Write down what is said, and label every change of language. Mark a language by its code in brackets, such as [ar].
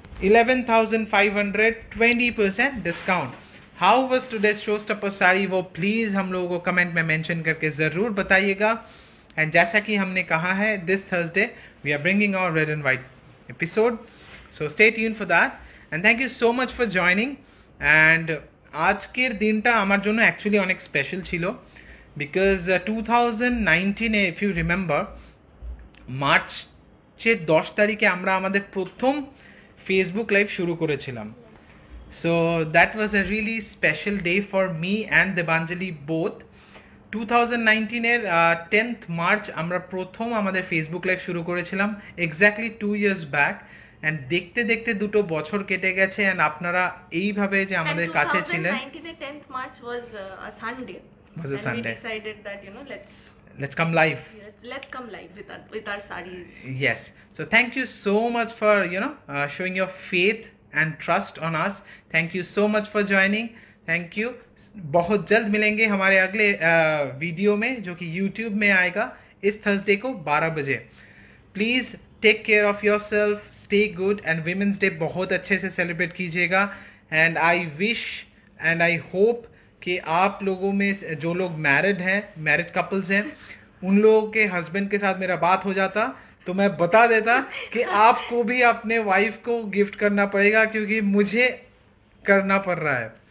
[en] 11,500, 20% discount, how was today's show stopper sari ও please [hi] hmm logo co comment May mention করকে জরুর বতাইয়েগা, [en] and [hi] জ্যাসা কি হমনে কাহা হ্যায় [en] This Thursday we are bringing our red and white episode, so stay tuned for that, and thank you so much for joining. [bn] And আজকের দিনটা আমার জন্য actually অনেক special ছিল, [en] because 2019 if you remember [bn] মার্চের 10 তারিখে আমরা আমাদের প্রথম ফেসবুক লাইভ শুরু করেছিলাম, [en] so that was a really special day for me and Debanjali both, [bn] 2019 10th March আমরা প্রথম আমাদের ফেসবুক লাইভ শুরু করেছিলাম, [en] exactly 2 years back, [bn] অ্যান্ড দেখতে দেখতে দুটো বছর কেটে গেছে, অ্যান্ড আপনারা এইভাবে যে আমাদের কাছে ছিলেন, [en] 2019 10th March was a Sunday, was a Sunday, we decided that you know let's let's come live. Yes, let's come live with our sarees. Yes. So thank you so much for, you know, showing your faith and trust on us. Thank you so much for joining. Thank you. [hi] बहुत जल्द मिलेंगे हमारे अगले video में जो कि YouTube में आएगा इस थर्सडे को 12 बजे. [en] please take care of your self, stay good and women's day [hi] बहुत अच्छे से सेलिब्रेट कीजिएगा. [en] and I wish and I hope [hi] कि आप लोगों में जो लोग मैरिड हैं, मैरिड कपल्स हैं, उन लोगों के हस्बैंड के साथ मेरा बात हो जाता तो मैं बता देता कि आपको भी अपने वाइफ को गिफ्ट करना पड़ेगा क्योंकि मुझे करना पड़ रहा है.